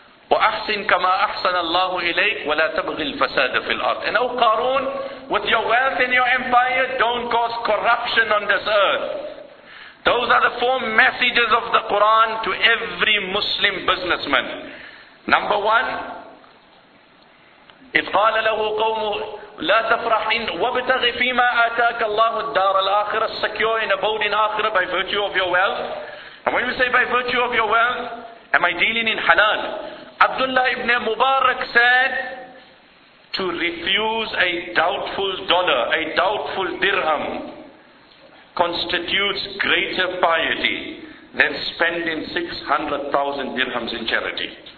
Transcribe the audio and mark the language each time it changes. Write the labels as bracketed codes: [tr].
[ar] وَأَحْسِنْ كَمَا أَحْسَنَ اللَّهُ إِلَيْكَ وَلَا تَبْغِي الْفَسَادَ فِي الْأَرْضِ. [en] And O Qarun, with your wealth and your empire, don't cause corruption on this earth. Those are the four messages of the Quran to every Muslim businessman. Number one, [ar] إِذْ قَالَ لَهُ قَوْمُهُ لَا تَفْرَحِنْ وَابْتَغِ فِي مَا آتَاكَ اللَّهُ الدَّارَ الْآخِرَةَ. [en] Secure and abode in Akhirah by virtue of your wealth. And when we say by virtue of your wealth, am I dealing in halal? Abdullah ibn Mubarak said, to refuse a doubtful dollar, a doubtful dirham, constitutes greater piety than spending 600,000 dirhams in charity.